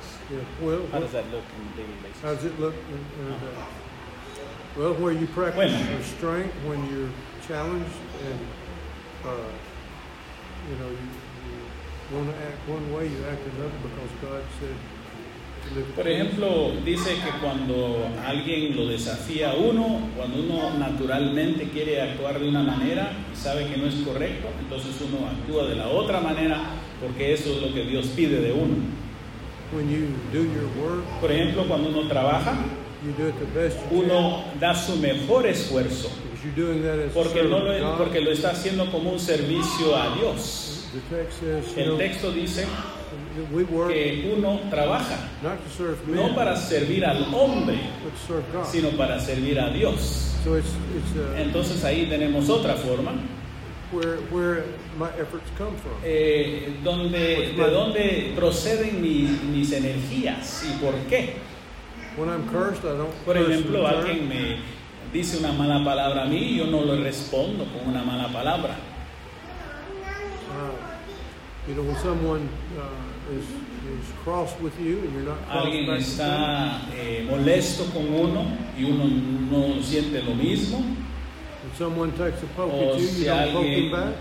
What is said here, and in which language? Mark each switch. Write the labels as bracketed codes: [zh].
[en] Yeah. Well, how does that look in the daily basis? How does it look? Well, where you practice when? Your strength, when you're challenged, and you want to act one way, you act another because God said. [es] Por ejemplo, dice que cuando alguien lo desafía a uno, cuando uno naturalmente quiere actuar de una manera y sabe que no es correcto, entonces uno actúa de la otra manera porque eso es lo que Dios pide de uno. [en] When you do your work, [es] por ejemplo, cuando uno trabaja, [en] you do it the best you [es] uno [en] can. [es] Da su mejor esfuerzo [en] you're doing that as [es] porque, no lo, porque lo está haciendo como un servicio a Dios. [en] The text says, [es] el texto dice [en] we work [es] que uno trabaja [en] not to serve men, [es] no para servir al hombre [en] but serve God. [es] Sino para servir a Dios. [en] So it's a, [es] entonces ahí tenemos otra forma [en] where my efforts come from. [es] Donde, de dónde proceden mis energías y por qué. [en] When I'm cursed, I don't [es] por ejemplo curse alguien me dice una mala palabra a mí yo no le respondo con una mala palabra. [en] You know, when someone is cross with you and you're not cross [es] alguien está molesto con uno y uno no siente lo mismo. [en] When someone takes a poke at you, you don't poke them back.